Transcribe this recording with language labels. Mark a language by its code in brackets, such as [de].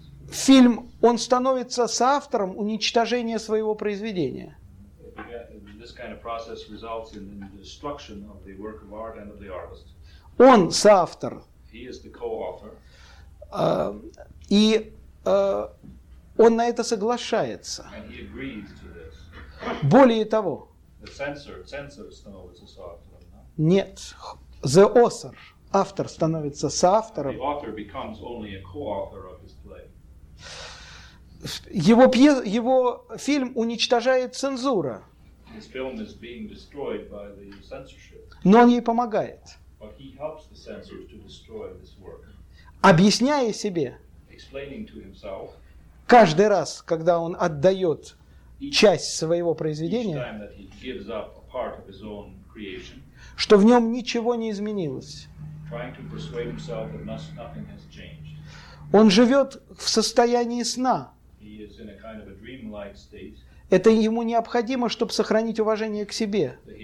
[ru] Фильм, он становится соавтором уничтожения своего произведения. [en] This kind of process results in the destruction of the work of art and of the artist. [ru] Он соавтор. [en] He is the co-author. [ru] Он на это соглашается. [en] And he agrees to this. [ru] Более того. [en] The censor [ru] становится соавтором. [en] No? [ru] Нет. [en] The author. [ru] Автор становится соавтором. [en] The author becomes only a co-author of his play. [ru] Его фильм уничтожает цензура. [en] His film is being destroyed by the censorship. [ru] Но он ей помогает. [en] But he helps the censors to destroy this work. [ru] Объясняя себе. [en] Explaining to himself. [ru] Каждый раз, когда он отдает часть своего произведения, [en] each time that he gives up a part of his own creation, [ru] что в нем ничего не изменилось. [en] Trying to persuade himself that nothing has changed. [ru] Он живет в состоянии сна. [en] He is in a kind of a dreamlike state. [ru] Это ему необходимо, чтобы сохранить уважение к себе.